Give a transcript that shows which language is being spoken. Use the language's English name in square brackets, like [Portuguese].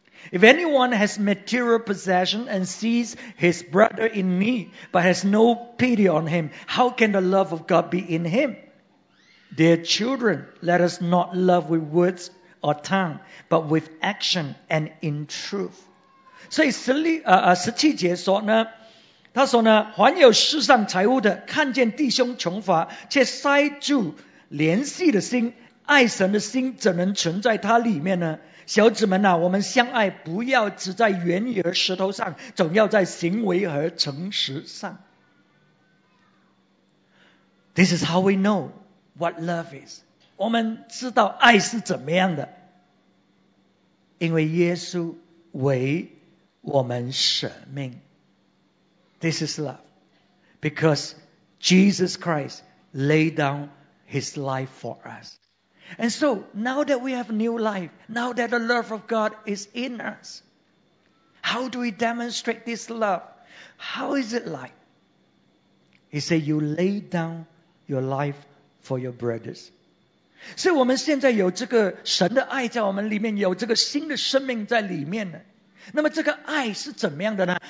[English] If anyone has material possession and sees his brother in need, but has no pity on him, how can the love of God be in him? Dear children, let us not love with words or tongue, but with action and in truth. [Chinese] 所以十七节说呢，他说呢，凡有世上财物的，看见弟兄穷乏，却塞住怜惜的心，爱神的心怎能存在他里面呢？小子们啊，我们相爱，不要只在言语和舌头上，总要在行为和诚实上。 [English] This is how we know what love is. [Chinese] 我们知道爱是怎么样的，因为耶稣为我们舍命。 [English] This is love. Because Jesus Christ laid down his life for us. And so, now that we have new life, now that the love of God is in us, how do we demonstrate this love? How is it like? He said, you lay down your life for your brothers. [Chinese] 所以我们现在有这个神的爱在我们里面，有这个新的生命在里面呢。那么这个爱是怎么样的呢？